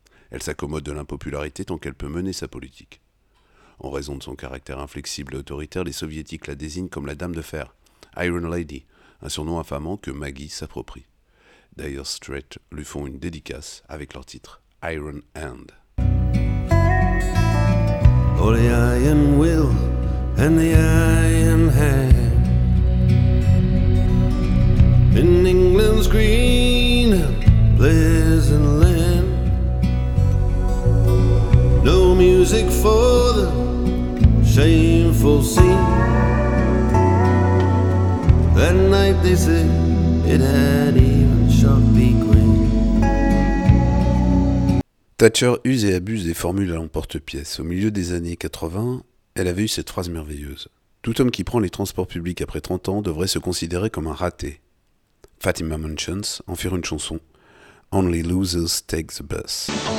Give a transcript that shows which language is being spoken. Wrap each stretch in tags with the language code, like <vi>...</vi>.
<fr>Elle s'accommode de l'impopularité tant qu'elle peut mener sa politique. En raison de son caractère inflexible et autoritaire, les soviétiques la désignent comme la Dame de Fer, Iron Lady, un surnom infamant que Maggie s'approprie. Dire Straits lui font une dédicace avec leur titre Iron Hand.</fr> <en>Oh, the Iron Will and the Iron Hand. In England's green pleasant land. No music for the shameful scene. That night they said it had even shot the queen.</en> <fr>Thatcher use et abuse des formules à l'emporte-pièce. Au milieu des années 80, elle avait eu cette phrase merveilleuse. Tout homme qui prend les transports publics après 30 ans devrait se considérer comme un raté. Fatima Munchens en fit une chanson.</fr> <en>Only losers take the bus.</en>